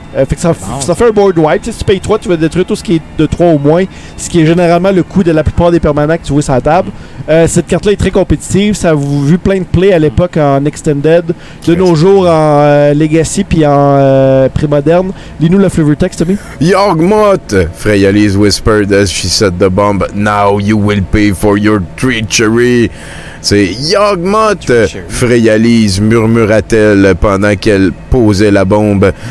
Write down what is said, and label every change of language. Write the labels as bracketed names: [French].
[French] Fait que ça fait un board wipe. T'sais, si tu payes 3, tu vas détruire tout ce qui est de 3 ou moins, ce qui est généralement le coût de la plupart des permanents que tu vois sur la table. Cette carte-là est très compétitive. Ça a vu plein de plays à l'époque en Extended, de nos jours en Legacy puis en Prémoderne. Lis-nous le flavor text, Tommy. [English] Yorgmoth, Freyalis whispered as she set the bomb. Now you will pay for your treachery. [French] C'est Yorgmoth, Freyalis murmura-t-elle pendant qu'elle posait la bombe.